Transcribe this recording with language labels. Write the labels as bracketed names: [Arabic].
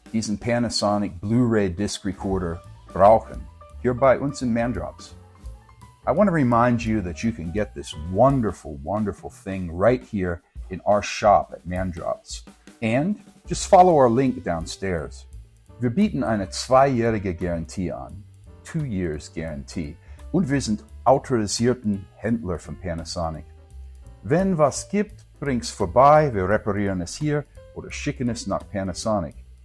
[German] diesen Panasonic Blu-ray Disc Recorder brauchen, hier bei uns in Mandrops. [English] I want to remind you that you can get this wonderful, wonderful thing right here in our shop at Mandrops. And just follow our link downstairs. [German] Wir bieten eine zweijährige Garantie an, [English] 2 years [German] Garantie, und wir sind autorisierten Händler von Panasonic. Wenn was gibt, bring's vorbei, wir reparieren es hier oder schicken es nach Panasonic.